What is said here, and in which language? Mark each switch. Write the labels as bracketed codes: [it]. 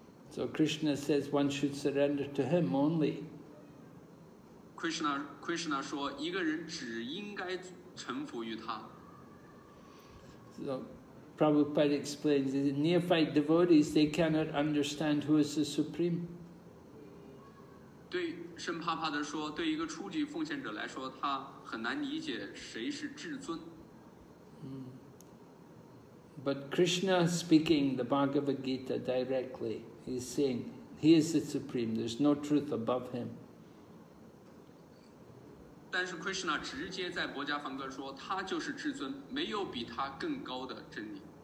[en] So Krishna says one should surrender to him only. [zh] Krishna 说一个人只应该臣服于他。 [en] So Prabhupada explains that neophyte devotees, they cannot understand who is the supreme. [zh] 对圣帕帕的说，对一个初级奉献者来说，他很难理解谁是至尊。 [en] But Krishna speaking the Bhagavad Gita directly, he is saying, he is the supreme, there's no truth above him. [zh] 但是 Krishna 直接在薄伽梵歌说，他就是至尊，没有比他更高的真理。